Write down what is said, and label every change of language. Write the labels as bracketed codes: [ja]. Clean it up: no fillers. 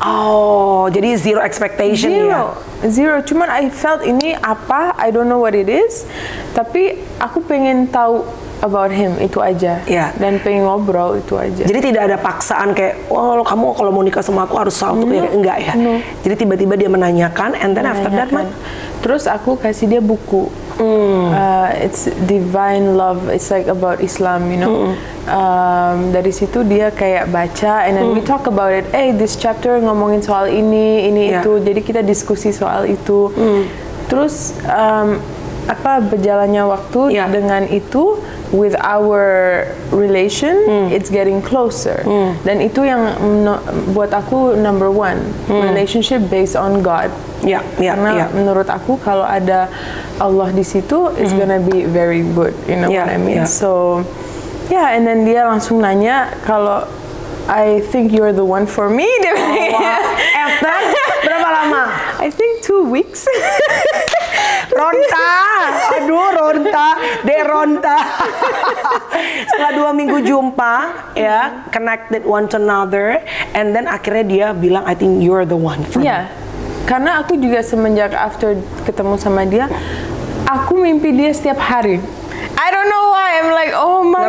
[id] Oh, jadi zero expectation. [en] Zero, [id] ya? [en] Zero. Cuman I felt [id] ini apa, [en] I don't know what it is, [id] tapi aku pengen tahu. [en] About him, itu aja. Yeah. [id] Dan pengen ngobrol, itu aja. Jadi tidak ada paksaan kayak, wah oh, kamu kalau mau nikah sama aku harus satu. No. Enggak ya? [en] No. [id] Jadi tiba-tiba dia menanyakan, [en] and then after that, man. [id] Terus aku kasih dia buku. [en] It's Divine Love, it's like about Islam, you know. [id] Dari situ dia kayak baca, [en] and then we talk about it. Hey, this chapter [id] ngomongin soal ini, yeah. itu. Jadi kita diskusi soal itu. Terus, apa berjalannya waktu dengan itu [en] with our relation it's getting closer [id] dan itu yang buat aku [en] number one relationship based on God [id] menurut aku kalau ada Allah di situ [en] it's gonna be very good, you know what I mean. So yeah, and then [id] dia langsung nanya kalau [en] I think you're the one for me. [id] After berapa lama? [en] I think 2 weeks. [id] Ronta, aduh Ronta, deronta. Setelah 2 minggu jumpa, ya, [en] connected one to another, [id] and then akhirnya dia bilang, [en] I think you're the one for me. [id] Karena aku juga semenjak after ketemu sama dia, aku mimpi dia setiap hari. [en] I don't know why, I'm like, oh my